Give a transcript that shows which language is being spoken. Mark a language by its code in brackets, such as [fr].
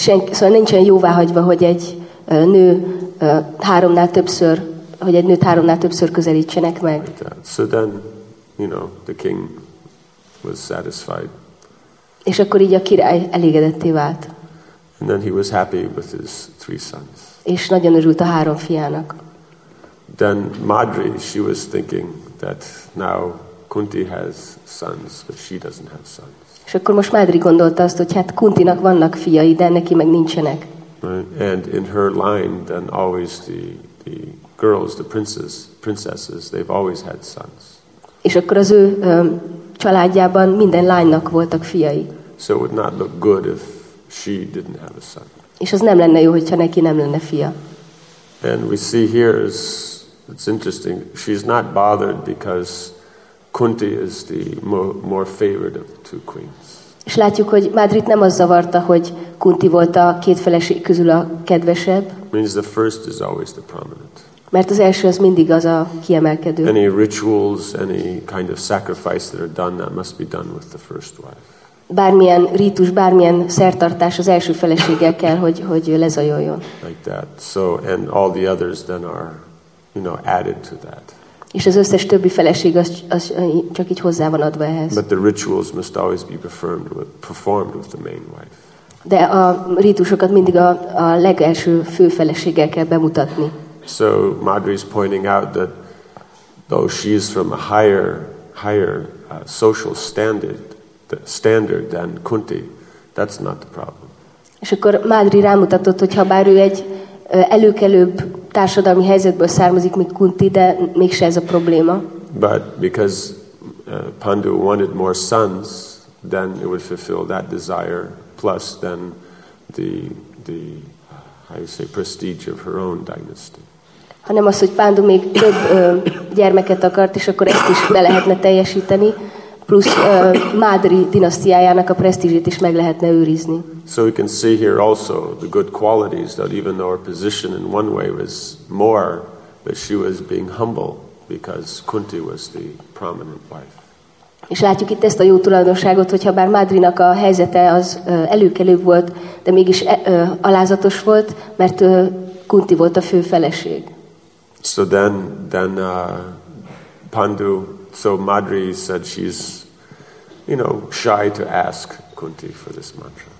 [hu] Szóval nincsen jóváhagyva, hogy egy nő háromnál többször, hogy egy nőt háromnál többször közelítsenek meg. [en] Like so then, you know, the king was satisfied. [hu] És akkor így a király elégedetté vált. [en] And then he was happy with his three sons. [hu] És nagyon örült a három fiának. [en] Then Madri, she was thinking that now Kunti has sons, but she doesn't have sons. [hu] És akkor most Madri gondolta azt, hogy hát Kuntinak vannak fiai, de neki meg nincsenek. [en] And in her line, then always the girls, the princesses, they've always had sons. [hu] És akkor az ő családjában minden lánynak voltak fiai. [en] So it would not look good if she didn't have a son. [hu] És az nem lenne jó, hogyha neki nem lenne fia. [en] And we see here is it's interesting. She's not bothered because Kunti is the more favored of the two queens. [hu] És látjuk, hogy Madrit nem az zavarta, hogy Kunti volt a két feleség közül a kedvesebb. [en] Means the first is always the prominent. [hu] Mert az első az mindig az a kiemelkedő. [en] Any rituals, any kind of sacrifice that are done, that must be done with the first wife. [hu] Bármilyen rítus, bármilyen szertartás az első feleséggel kell, hogy lezajoljon. [en] Like that. So, and all the others then are, you know, added to that. [hu] És az összes többi feleség az csak így hozzá van adva ehhez. [en] But the rituals must always be performed with the main wife. [hu] De a rítusokat mindig a legelső fő feleséggel kell bemutatni. [en] So Madri's pointing out that though she is from a higher social standard than Kunti, that's not the problem. [hu] És akkor Madri rámutatott, hogy ha bár ő egy előkelőbb társadalmi helyzetből származik, mint Kunti, de mégse ez a probléma. [en] But because Pandu wanted more sons, then it would fulfill that desire, plus then the prestige of her own dynasty. [hu] Hanem az, hogy Pandu még több gyermeket akart, és akkor ezt is be lehetne teljesíteni, plusz Madri dinasztiájának a presztízsét is meg lehetne őrizni. [en] So we can see here also the good qualities that even though her position in one way was more, that she was being humble because Kunti was the prominent wife. [hu] És látjuk itt ezt a jó tulajdonságot, hogyha bár Madrinak a helyzete az előkelőbb volt, de mégis alázatos volt, mert Kunti volt a fő feleség. [en] So then Pandu, so Madri said she's, you know, shy to ask Kunti for this mantra.